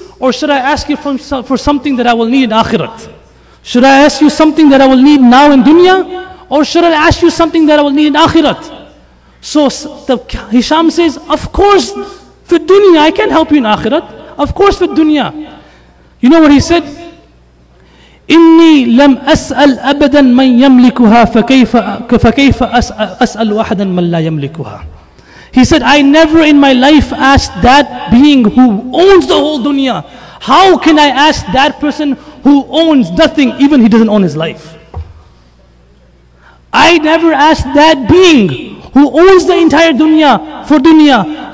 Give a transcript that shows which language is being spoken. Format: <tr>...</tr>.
<en>Or should I ask you for something that I will need in akhirat? Should I ask you something that I will need now in dunya? Or should I ask you something that I will need in akhirat? So the Hisham says, of course, for dunya, I can help you in akhirat. Of course, for dunya. You know what he said?</en> <ar>إني لم أسأل أبدا من يملكها فكيف أسأل واحدا من لا يملكها.</ar> <en>He said, I never in my life asked that being who owns the whole dunya. How can I ask that person who owns nothing, even he doesn't own his life? I never asked that being who owns the entire dunya for dunya.</en>